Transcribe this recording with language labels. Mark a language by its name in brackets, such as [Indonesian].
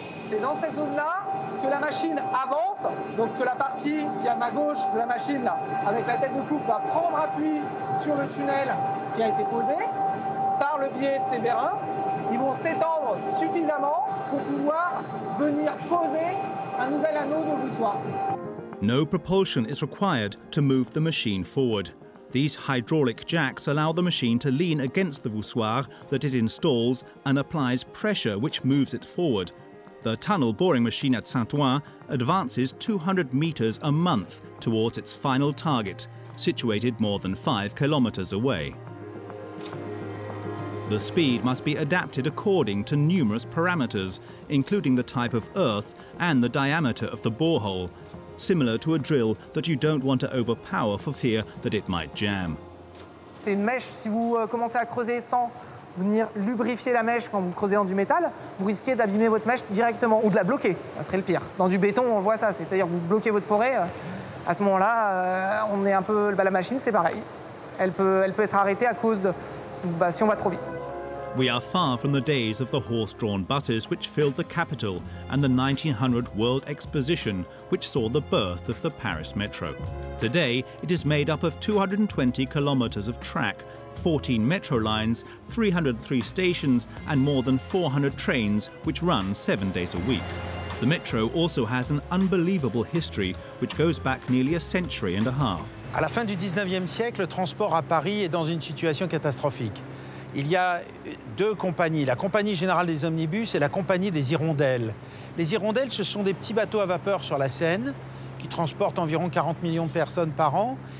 [French] C'est dans cette zone-là que la machine avance, donc que la partie qui est à ma gauche de la machine, là, avec la tête de coupe, va prendre appui sur le tunnel qui a été posé par le biais de ces vérins. Ils vont s'étendre suffisamment pour pouvoir venir poser un nouvel anneau de voussoir. [English] No propulsion is required to move the machine forward. These hydraulic jacks allow the machine to lean against the voussoir that it installs and applies pressure which moves it forward. The tunnel boring machine at Saint-Ouen advances 200 meters a month towards its final target, situated more than 5 kilometers away. The speed must be adapted according to numerous parameters, including the type of earth and the diameter of the borehole, similar to a drill that you don't want to overpower for fear that it might jam. [French] C'est une mèche. Si vous commencez à creuser sans venir lubrifier la mèche quand vous creusez dans du métal, vous risquez d'abîmer votre mèche directement ou de la bloquer. Ça serait le pire. Dans du béton, on voit ça. C'est-à-dire que vous bloquez votre forêt. À ce moment-là, on est un peu. Bah, la machine, c'est pareil. Elle peut être arrêtée à cause de. Bah, si on va trop vite. [English] We are far from the days of the horse-drawn buses which filled the capital and the 1900 World Exposition, which saw the birth of the Paris Metro. Today, it is made up of 220 kilometers of track, 14 metro lines, 303 stations, and more than 400 trains, which run 7 days a week. The metro also has an unbelievable history, which goes back nearly a century and a half. [French] À la fin du 19e siècle, le transport à Paris est dans une situation catastrophique. Il y a deux compagnies, la Compagnie Générale des Omnibus et la Compagnie des Hirondelles. Les Hirondelles, ce sont des petits bateaux à vapeur sur la Seine qui transportent environ 40 millions de personnes par an.